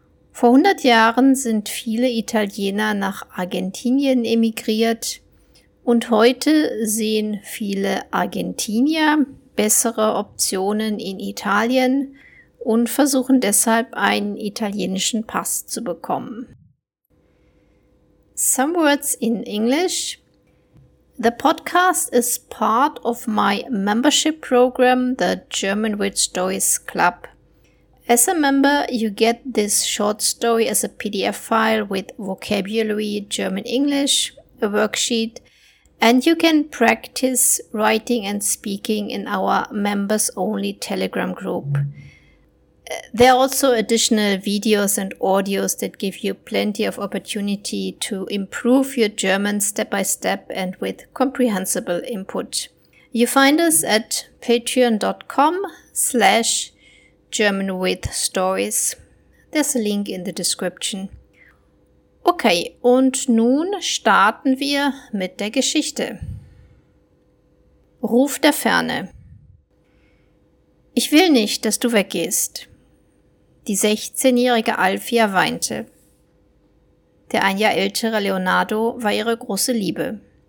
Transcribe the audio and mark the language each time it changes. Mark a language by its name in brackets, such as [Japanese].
[German] Vor 100 Jahren sind viele Italiener nach Argentinien emigriert und heute sehen viele Argentinier bessere Optionen in Italien und versuchen deshalb einen italienischen Pass zu bekommen. [English] Some words in English. The podcast is part of my membership program, the German with Stories Club. As a member, you get this short story as a PDF file with vocabulary, German English, a worksheet, and you can practice writing and speaking in our members-only Telegram group. There are also additional videos and audios that give you plenty of opportunity to improve your German step by step and with comprehensible input. You find us at patreon.com/German with Stories. There's a link in the description. [German] Okay, und nun starten wir mit der Geschichte. Ruf der Ferne. Ich will nicht, dass du weggehst. Die 16-jährige Alfia weinte. Der ein Jahr ältere Leonardo war ihre große Liebe.